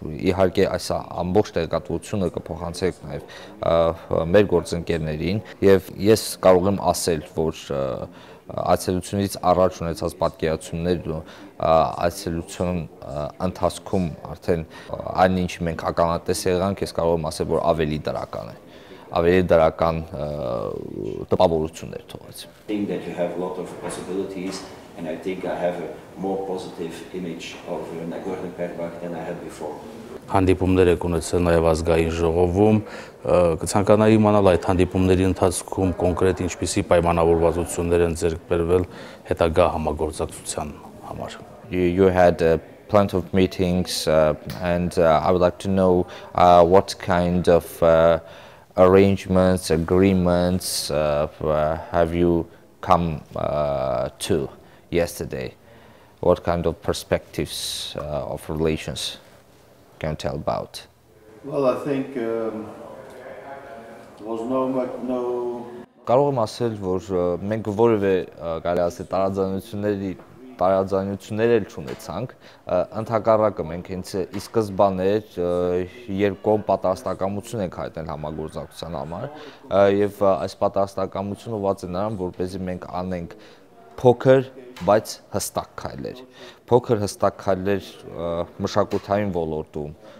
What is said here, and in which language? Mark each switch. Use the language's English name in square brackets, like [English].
[Armenian] իհարկե այս ամբողջ տեղեկատվությունը կփոխանցենք նաեւ մեր գործընկերներին եւ ես կարող եմ ասել, որ այցելությունից առաջ ունեցած պատկերացումներ այցելության ընթացքում արդեն այնինչ մենք ականատես եղանք, ես կարող եմ ասել, որ ավելի դրական է, ավելի դրական տպավորություններ [English] թողեց։ And I think I have a more positive image of Nagorno-Karabakh than I had before. [Armenian] Հանդիպումներ եք ունեցել նաև ազգային ժողովում, կցանկանայի իմանալ այդ հանդիպումների ընթացքում կոնկրետ ինչպիսի պայմանավորվածություններ են ձեռք բերվել հետագա համագործակցության համար։ [English] You had a plenty of meetings and I would like to know what kind of arrangements, agreements have you come to yesterday? What kind of perspectives of relations can tell about? Well, I think was no [Armenian] կարող եմ ասել, որ մենք որևէ կարելի ասել տարաձայնություններ էլ չունեցանք, ընդհակառակը մենք հենց ի սկզբանե երկու պատասխանատվություն ենք հայտնել համագործակցության համար, եւ այս պատասխանատվությունը ուղղված է նրան, որպեսզի մենք անենք փոքր, բայց հստակ քայլեր։ Փոքր հստակ քայլեր մշակութային ոլորտում,